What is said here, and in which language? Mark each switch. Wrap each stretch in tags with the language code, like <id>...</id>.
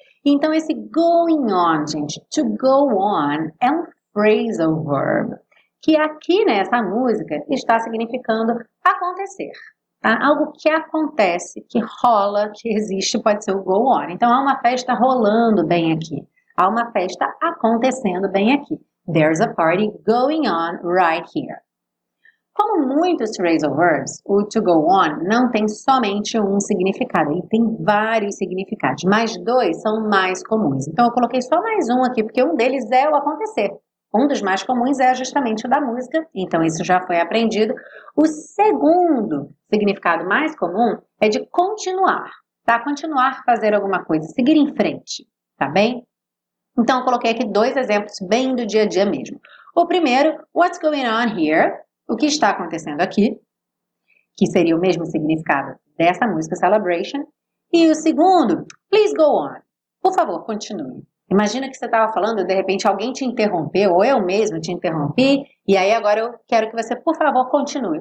<pt>Então, esse going on, gente, to go on, é um phrasal verb, que aqui nessa música está significando acontecer, tá? Algo que acontece, que rola, que existe, pode ser o go on. Então, há uma festa rolando bem aqui. Há uma festa acontecendo bem aqui.</pt> <en>There's a party going on right here.</en> <pt>Como muitos phrasal verbs, o to go on não tem somente um significado. Ele tem vários significados, mas dois são mais comuns. Então, eu coloquei só mais um aqui, porque um deles é o acontecer. Um dos mais comuns é justamente o da música, então isso já foi aprendido. O segundo significado mais comum é de continuar, tá? Continuar fazer alguma coisa, seguir em frente, tá bem? Então eu coloquei aqui dois exemplos bem do dia a dia mesmo. O primeiro,</pt> <en>what's going on here?</en> <pt>O que está acontecendo aqui? Que seria o mesmo significado dessa música Celebration. E o segundo,</pt> <en>please go on.</en> <pt>Por favor, continue. Imagina que você estava falando, de repente alguém te interrompeu, ou eu mesmo te interrompi, e aí agora eu quero que você, por favor, continue.</pt>